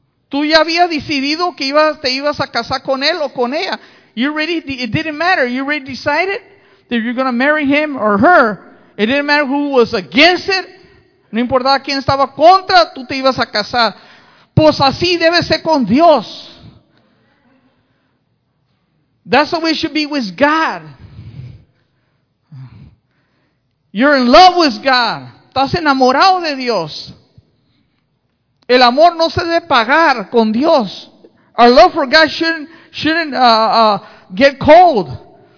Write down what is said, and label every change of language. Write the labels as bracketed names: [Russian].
[Spanish] Tú ya habías decidido que te ibas a casar con él o con ella. [English] You already, it didn't matter. You already decided that you're going to marry him or her. It didn't matter who was against it. [Spanish] No importaba quién estaba contra, tú te ibas a casar. Pues así debe ser con Dios. [English] That's the way it should be with God. You're in love with God. [Spanish] Estás enamorado de Dios. El amor no se debe pagar con Dios. [English] Our love for God shouldn't get cold.